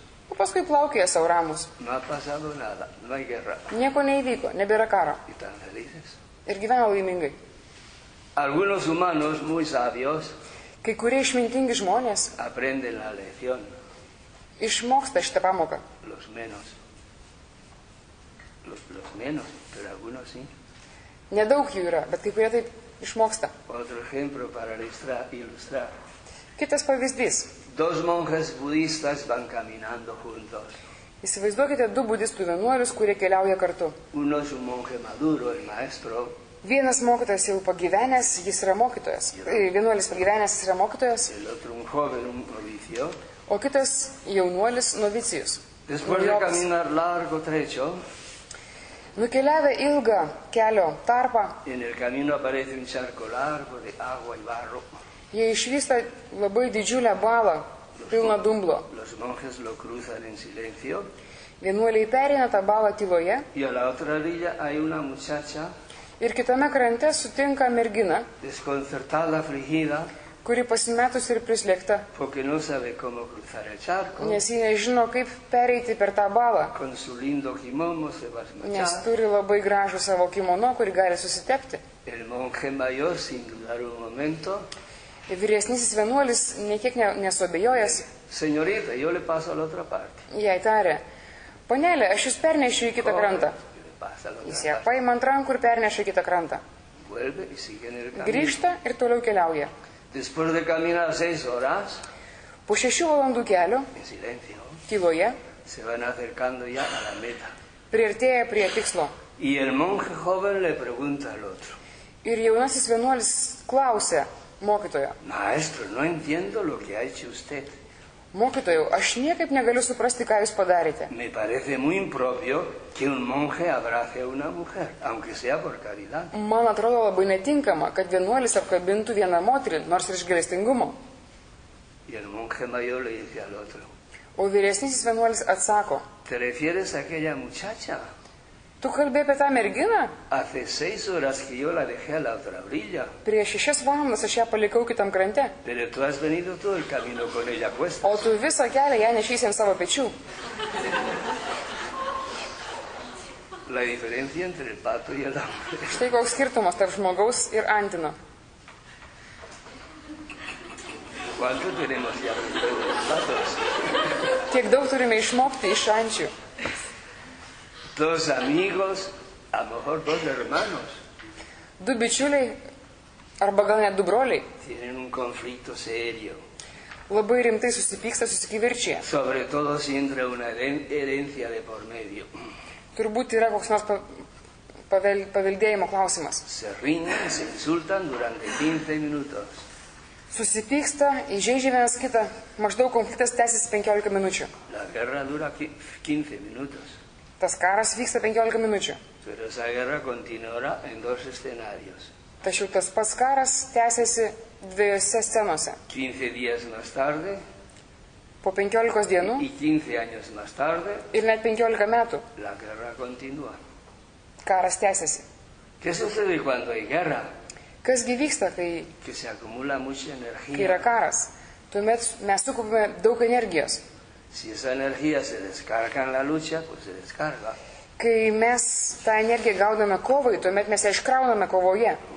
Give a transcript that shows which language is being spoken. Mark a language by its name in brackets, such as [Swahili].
[Lithuanian] O paskui plaukia savo ramus. Nieko neįvyko, nebėra karo. Ir gyvena laimingai. [Spanish] Algunos humanos muy sabios. [Lithuanian] Kai kurie išmintingi žmonės. [Spanish] Aprenden la lección. [Lithuanian] Išmoksta šitą pamoką. [Spanish] Los menos. Pero algunos sí. [Lithuanian] Nedaug jų yra, bet kai kurie taip išmoksta. [Spanish] Otro ejemplo para ilustrar. [Lithuanian] Kitas pavyzdys. [Spanish] Dos monjes budistas van caminando juntos. [Lithuanian] Įsivaizduokite du budistų vienuolius, kurie keliauja kartu. [Spanish] Uno es un monje maduro, el maestro. [Lithuanian] Vienas mokytojas jau pagyvenęs, jis yra mokytojas. Vienuolis pagyvenęs, jis yra mokytojas. [Spanish] El otro un joven, un novicio. [Lithuanian] O kitas jaunuolis, novicijus. [Spanish] Después de caminar largo trecho. [Lithuanian] Nukeliavę ilgą kelio tarpą. [Spanish] En el camino aparece un charco largo de agua y barro. [Lithuanian] Jie išvysta labai didžiulę balą, pilną dumblo. [Spanish] Los monjes lo cruzan en silencio. [Lithuanian] Vienuoliai perina tą balą tyloje. [Spanish] Y a la otra orilla hay una muchacha. [Lithuanian] Ir kitame krante sutinka merginą. [Spanish] Desconcertada, afligida. [Lithuanian] Kuri pasimetus ir prislėgta. [Spanish] Porque no sabe cómo cruzar el charco. [Lithuanian] Nes jie nežino, kaip pereiti per tą balą. [Spanish] Con su lindo kimono se va a smachar. [Lithuanian] Nes turi labai gražų savo kimono, kuri gali susitepti. [Spanish] El monje mayor, sin dudar un momento. [Lithuanian] Vyresnysis vienuolis nekiek nesuabejojas. [Spanish] Señorita, yo le paso a la otra parte. [Lithuanian] Jai tarė. Panelė, aš jūs pernešiu į kitą krantą. Jis ją paima ant rankų ir perneša į kitą krantą. [Spanish] Vuelve y sigue en el camino. [Lithuanian] Grįžta ir toliau keliauja. [Spanish] Después de caminar 6 horas. [Lithuanian] Po 6 valandų kelio. [Spanish] En silencio. [Lithuanian] Tyloje. [Spanish] Se van acercando ya a la meta. [Lithuanian] Priartėja prie tikslo. [Spanish] Y el monje joven le pregunta al otro. [Lithuanian] Ir jaunasis vienuolis klausia mokytojo. [Spanish] Maestro, no entiendo lo que ha hecho usted. [Lithuanian] Mokytojau, aš niekaip negaliu suprasti, ką jūs padarėte. [Spanish] Me parece muy impropio que un monje abrace a una mujer, aunque sea por caridad. [Lithuanian] Man atrodo labai netinkama, kad vienuolis apkabintų vieną moterį, nors ir iš gailestingumo. [Spanish] Y el monje mayor le dice al otro. [Lithuanian] O vyresnysis vienuolis atsako. [Spanish] ¿Te refieres a aquella muchacha? [Lithuanian] Tu kalbi apie tą merginą? [Spanish] Hace 6 horas que yo la dejé a la otra orilla. [Lithuanian] Prieš 6 valandas aš ją palikau kitam krante. [Spanish] Pero tú has venido todo el camino con ella cuestas. [Lithuanian] O tu visą kelią ją nešysi ant savo pečių. [Spanish] La diferencia entre el pato y el hombre. [Lithuanian] Štai koks skirtumas tarp žmogaus ir antino. [Spanish] ¿Cuánto tenemos ya de los patos? [Lithuanian] Kiek daug turime išmokti iš ančių. [Spanish] Dos amigos, a lo mejor dos hermanos. [Lithuanian] Du bičiuliai, arba gal net du broliai. [Spanish] Tienen un conflicto serio. [Lithuanian] labai rimtai susipyksta, susikivirčia. [Spanish] Sobre todo si entra una herencia de por medio. [Lithuanian] Turbūt yra koks nors paveldėjimo klausimas. [Spanish] Se riñen, se insultan durante 15 minutos. [Lithuanian] Susipyksta, įžeidžia vienas kitą, maždaug konfliktas tęsiasi 15 minučių. [Spanish] La guerra dura 15 minutos. [Lithuanian] Tas karas vyksta 15 minučių. [Spanish] Pero esa guerra continuará en dos escenarios. [Lithuanian] Tačiau tas pats karas tęsiasi dviejose scenose. [Spanish] 15 días más tarde. [Lithuanian] Po 15 dienų. [Spanish] Y 15 años más tarde. [Lithuanian] Ir net 15 metų. [Spanish] La guerra continúa. [Lithuanian] Karas tęsiasi. [Spanish] ¿Qué sucede cuando hay guerra? [Lithuanian] Kas gi vyksta, kai [Spanish] que se acumula mucha energía. [Lithuanian] Kai yra karas, tuomet mes sukupime daug energijos. [Spanish] Si esa energía se descarga en la lucha, pues se descarga. [Lithuanian] Kai mes tą energiją gauname kovai, tuomet mes ją iškrauname kovoje.